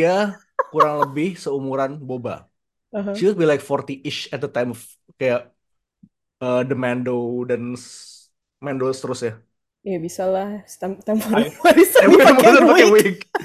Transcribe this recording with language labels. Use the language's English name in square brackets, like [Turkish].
[Indonesian] dia kurang lebih seumuran Boba. [English] She would be like 40-ish at the time of kayak The Mando [Indonesian] dan Mando terus ya. Ya bisa lah, temporary voice ini pakai wig.